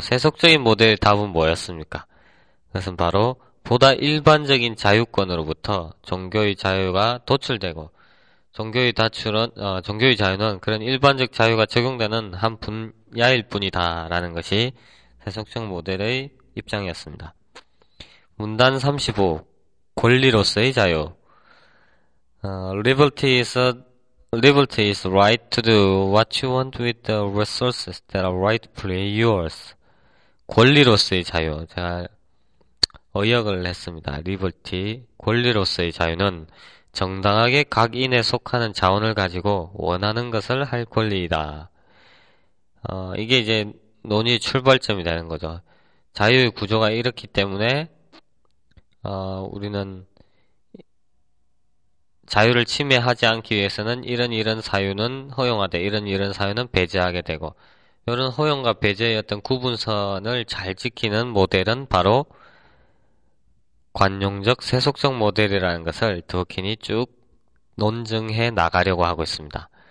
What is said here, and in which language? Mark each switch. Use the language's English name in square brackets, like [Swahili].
[Korean] 세속적인 모델의 답은 뭐였습니까? 그것은 바로 보다 일반적인 자유권으로부터 종교의 자유가 도출되고, 종교의 자유는 그런 일반적 자유가 적용되는 한 분야일 뿐이다라는 것이 세속적 모델의 입장이었습니다. 문단 35. 권리로서의 자유. [English] Liberty is right to do what you want with the resources that are rightfully yours. [Korean] 권리로서의 자유. 제가 어역을 했습니다. Liberty, 권리로서의 자유는 정당하게 각인에 속하는 자원을 가지고 원하는 것을 할 권리이다. 이게 이제 논의의 출발점이 되는 거죠. 자유의 구조가 이렇기 때문에 우리는 자유를 침해하지 않기 위해서는 이런 이런 사유는 허용하되 이런 이런 사유는 배제하게 되고 이런 허용과 배제의 어떤 구분선을 잘 지키는 모델은 바로 관용적 세속적 모델이라는 것을 더킨이 쭉 논증해 나가려고 하고 있습니다.